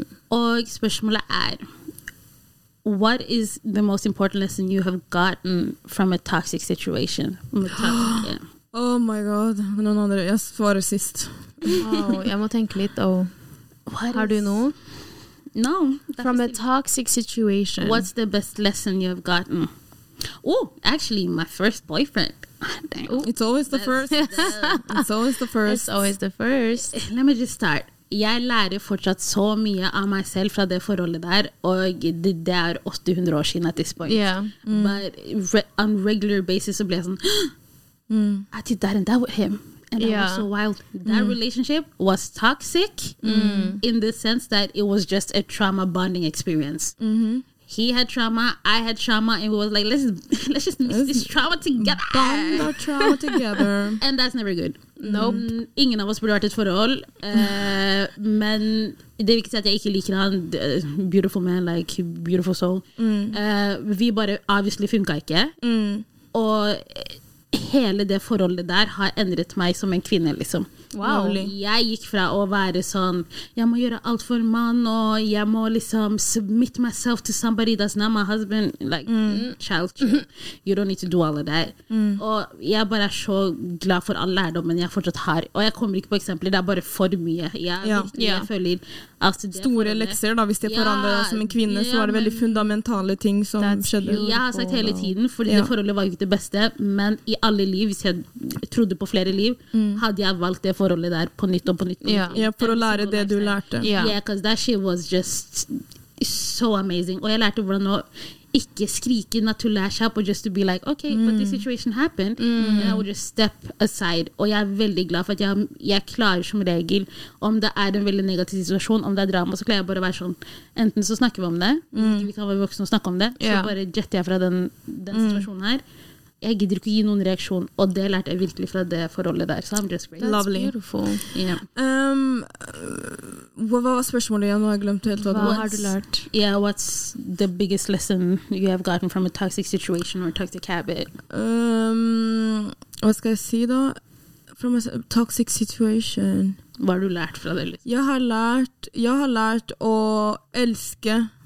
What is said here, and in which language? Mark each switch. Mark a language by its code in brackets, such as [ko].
[no] Og spørsmålet er, [en] what is the most important lesson you have gotten from a toxic situation? [no] Oh my god, noen andre, jeg svarer sist. Jeg må tenke litt, har du noe? [en] No. From a toxic situation. What's the best lesson you've gotten? Oh, actually, my first boyfriend. It's always the first. It's always the first. Let me just start. [no] Jeg lærer fortsatt så mye av meg selv fra det forholdet der, og det 800 år siden [en] at this point. Yeah. But on regular basis, [no] så ble jeg sånn... [en] I did that and that with him. And that was so wild. That relationship was toxic in the sense that it was just a trauma bonding experience. He had trauma, I had trauma, and we was like, let's just this trauma together. Bond our trauma together. And that's never good. Nope. [no] Ingen av oss burde vært et forhold. Men det vil ikke si at jeg ikke liker han. [en] Beautiful man, like beautiful soul. [no] Vi bare obviously funket ikke. Og hele det forholdet der har endret meg som en kvinne, liksom. [en] Wow. [no] Jeg gikk fra å være sånn, jeg må gjøre alt for mann, og jeg må liksom [en] submit myself to somebody that's not my husband. Like, child, you don't need to do all of that. [no] Og jeg bare så glad for all lærdommen jeg fortsatt har. Og jeg kommer ikke på eksempler, det bare for mye. Jeg føler at store lekser da, hvis det forandrer som en kvinne, så var det veldig fundamentale ting som skjedde. Beautiful. Jeg har sagt hele tiden, fordi det forholdet var ikke det beste, men i alle liv, hvis jeg trodde på flere liv, hadde jeg valgt det forholdet der på nytt og på nytt. For å lære det du lærte. [en] Because that shit was just so amazing. [no] Og jeg lærte hvordan å ikke skrike, [en] not to lash up, but just to be like, okay, but this situation happened, and I would just step aside. [no] Og jeg veldig glad for at jeg klarer som regel, om det en veldig negativ situasjon, om det drama, så klarer jeg bare å være sånn, enten så snakker vi om det, vi kan være voksne og snakke om det, så bare jetter jeg fra den situasjonen her. Jeg gidder ikke å gi noen reaksjon, og det lærte jeg virkelig fra det forholdet der. [en] So I'm just great. That's lovely. Beautiful. [no] Hva var spørsmålet igjen? Nå har jeg glemt helt. Hva har du lært? [en] Yeah, what's the biggest lesson you have gotten from a toxic situation or toxic habit? [no] Hva skal jeg si da? [en] From a toxic situation. [no] Hva har du lært fra det? Jeg har lært å elske